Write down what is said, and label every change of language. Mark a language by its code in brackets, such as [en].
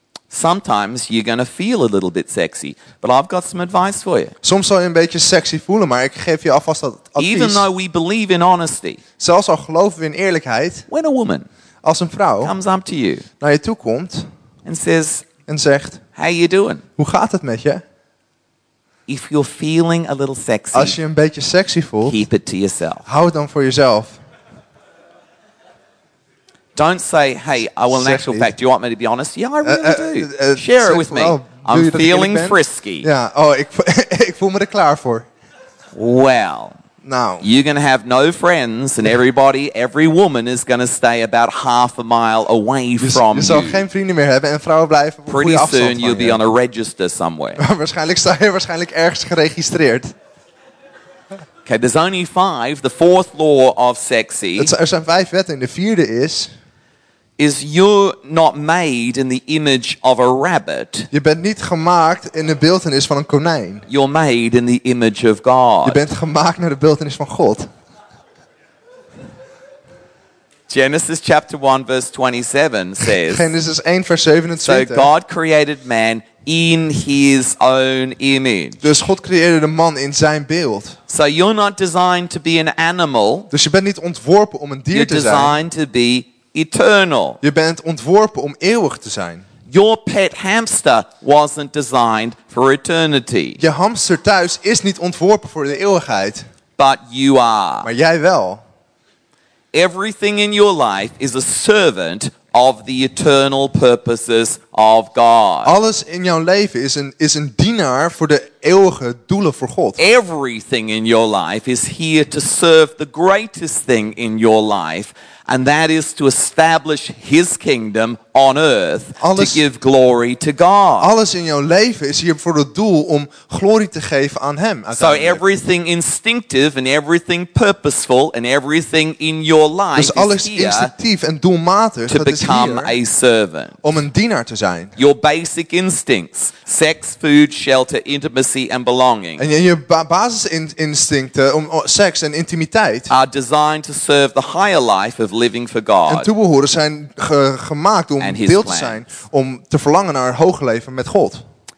[en] Sometimes you're gonna feel a little bit sexy, but I've got some advice for you. [nl] Soms zal je een beetje sexy voelen, maar ik geef je alvast dat advies. [en] Even though we believe in honesty, [nl] zelfs al geloven we in eerlijkheid, [en] when a woman, [nl] als een vrouw, [en] comes up to you, [nl] naar je toe komt, [en] and says, [nl] en zegt, [en] how you doing? [nl] Hoe gaat het met je? [en] If you're feeling a little sexy, [nl] als je een beetje sexy voelt, [en] keep it to yourself. [nl] Hou het dan voor jezelf. [en] Don't say, hey, I will in actual fact, do you want me to be honest? Yeah, I really do. Share it with me. I'm feeling frisky. Yeah. [nl] Oh, ik voel me er klaar voor. [en] Well, now you're going to have no friends and every woman is going to stay about half a mile away from you. [nl] Je zal geen vrienden meer hebben en vrouwen blijven op een goede afstand van je. [en] Pretty soon you'll be on a register somewhere. [nl] Waarschijnlijk sta je waarschijnlijk ergens geregistreerd. [en] Okay, there's only five. The fourth law of sexy. [nl] Er zijn vijf wetten. En de vierde is. [en] Is you're not made in the image of a rabbit. [nl] Je bent niet gemaakt in de beeldenis van een konijn. [en] You're made in the image of God. [nl] Je bent gemaakt naar de beeldenis van God. [en] Genesis chapter 1 verse 27 says, [nl] Genesis 1 vers 27. [en] So God created man in his own image. [nl] Dus God creëerde de man in zijn beeld. [en] So you're not designed to be an animal. [nl] Dus je bent niet ontworpen om een dier te zijn. [en] You're designed to be eternal. [nl] Je bent ontworpen om eeuwig te zijn. [en] Your pet hamster wasn't designed for eternity. [nl] Je hamster thuis is niet ontworpen voor de eeuwigheid. [en] But you are. [nl] Maar jij wel. [en] Everything in your life is a servant of the eternal purposes of God. [nl] Alles in jouw leven is een dienaar voor de eeuwige doelen voor God. [en] Everything in your life is here to serve the greatest thing in your life, and that is to establish His kingdom on earth, [nl] alles, [en] to give glory to God. [nl] Alles in jouw leven is hier voor het doel om glorie te geven aan Hem. [en] So everything instinctive and everything purposeful and everything in your life [nl] is alles instinctief en doelmatig [en] to become a servant. [nl] Om een dienaar te zijn. [en] Your basic instincts, sex, food, shelter, intimacy and belonging. [nl] En je basisinstincten om seks en intimiteit [en] are designed to serve the higher life of living for God. [nl] En toebehoren zijn gemaakt om deel te zijn, om te verlangen naar een hoger leven met God en